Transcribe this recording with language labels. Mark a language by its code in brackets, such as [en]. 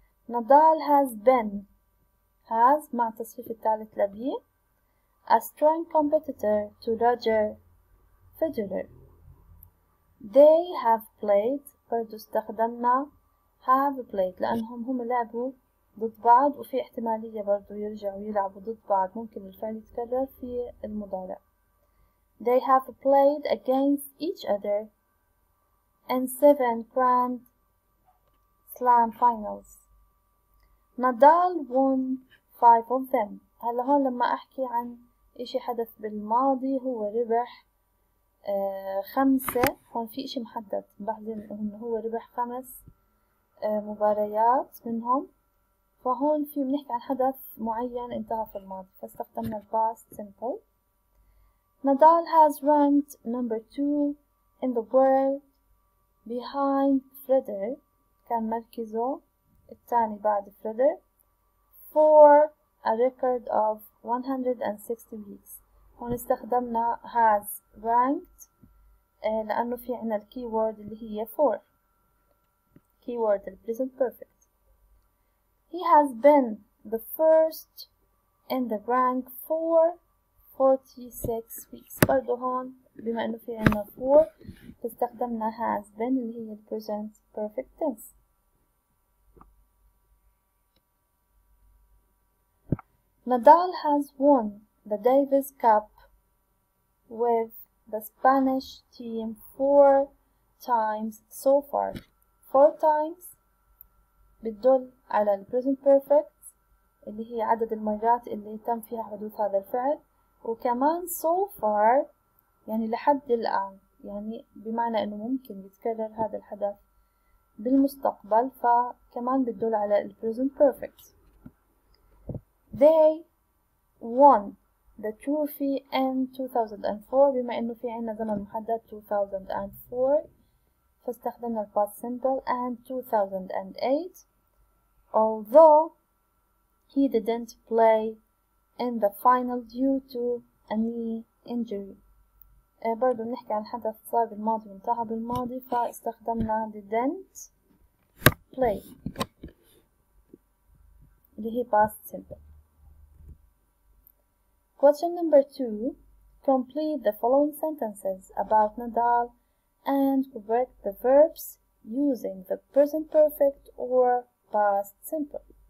[en] Nadal has been has [ar] مع تصريف الثالث لبي [en] a strong competitor to Roger Federer. They have played، [ar] برضو استخدمنا have played لأنهم هم لعبوا ضد بعض، وفي احتمالية برضو يرجعوا يلعبوا ضد بعض، ممكن الفعل يتكرر في المضارع. [en] They have played against each other in 7 Grand Slam finals. Nadal won 5 of them. [ar] هلا هون لما احكي عن اشي حدث بالماضي هو ربح 5، هون في اشي محدد بعدين انه هو ربح 5 مباريات منهم، فهون في بنحكي عن حدث معين انتهى في الماضي، فاستخدمنا past simple. [en] Nadal has ranked number 2 in the world behind Federer. [ar] كان مركزه الثاني بعد [en] Federer for a record of 160 weeks. [ar] هون استخدمنا has ranked لأنه في عنا الكيورد اللي هي for. [en] Keyword the present perfect. He has been the first in the rank for 46 weeks. [ar] برضو هون بما انه في عنا 4 استخدمنا has been اللي هي the present perfect tense. [en] Nadal has won the Davis Cup with the Spanish team 4 times so far. 4 times [ar] بتدل على the present perfect اللي هي عدد المرات اللي تم فيها حدوث هذا الفعل، وكمان [en] so far [ar] يعني لحد الآن، يعني بمعنى إنه ممكن يتكرر هذا الحدث بالمستقبل، فكمان بتدل على the present perfect. [en] They won the trophy in 2004، [ar] بما إنه في عنا زمن محدد 2004 فاستخدمنا the past simple. [en] And 2008، although he didn't play in the final due to a knee injury. [ar] برضو بنحكي عن حدث صار بالماضي وانتهى بالماضي، فاستخدمنا didn't play اللي هي past simple. [en] Question number 2. Complete the following sentences about Nadal and correct the verbs using the present perfect or past simple.